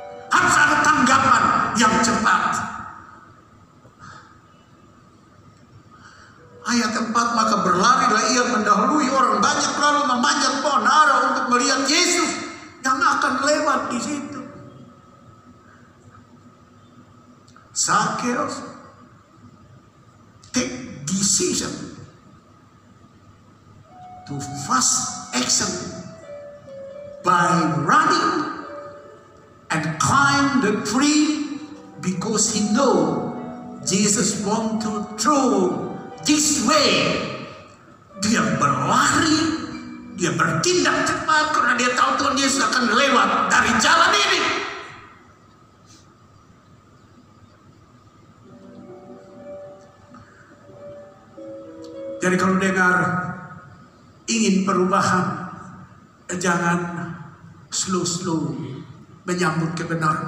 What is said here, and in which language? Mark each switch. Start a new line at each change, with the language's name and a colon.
Indonesian: Harus ada tanggapan yang cepat. Ayat 4, maka berlarilah ia mendahului orang banyak, lalu memanjat pohon ara untuk melihat Yesus yang akan lewat di situ.
English: Zacchaeus, take decision to fast action by running and climb the tree, because he know Jesus want to throw this way.
Indonesian: Dia berlari, dia bertindak cepat karena dia tahu Tuhan Yesus akan lewat dari jalan ini. Jadi kalau dengar ingin perubahan, jangan slow-slow menyambut kebenaran.